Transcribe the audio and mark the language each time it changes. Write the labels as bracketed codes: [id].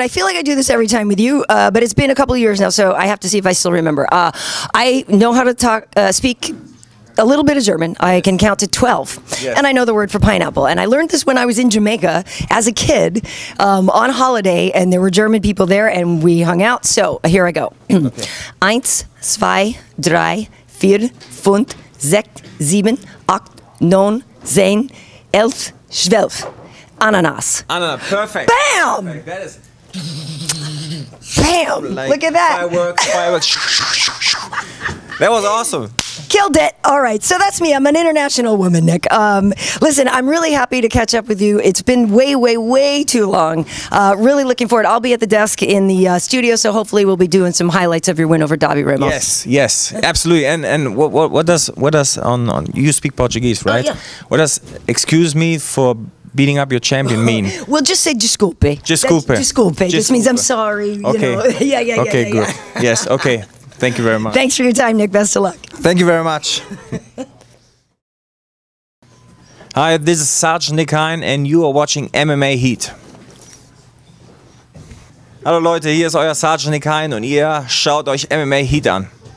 [en] I feel like I do this every time with you, but it's been a couple of years now, so I have to see if I still remember. I know how to speak a little bit of German. I can count to 12. Yes. And I know the word for pineapple. And I learned this when I was in Jamaica as a kid on holiday, and there were German people there and we hung out. So here I go. Okay. [de] Eins, zwei, drei, vier, fünf, sechs, sieben, acht, neun, zehn, elf, zwölf. Ananas. [en] Ananas, perfect. Bam! Perfect. That is... Bam! Like, look at that. Fireworks. That was awesome. Killed it. All right. So that's me. I'm an international woman, Nick. Listen, I'm really happy to catch up with you. It's been way, way, way too long. Really looking forward. I'll be at the desk in the studio, so hopefully we'll be doing some highlights of your win over Davi Ramos. Yes, yes. Absolutely. And what does on you speak Portuguese, right? Yeah. What does excuse me for beating up your champion mean? Well, just say desculpe. [pt] Desculpe. [en] Desculpe. Just means I'm sorry. Okay. You know. yeah. Okay, yeah, good. Yeah. Yes, okay. Thank you very much. Thanks for your time, Nick. Best of luck. Thank you very much. Hi, this is Sergeant Nick Hein, and you are watching MMA Heat. [de] Hallo Leute, hier ist euer Sergeant Nick Hein, und ihr schaut euch MMA Heat an.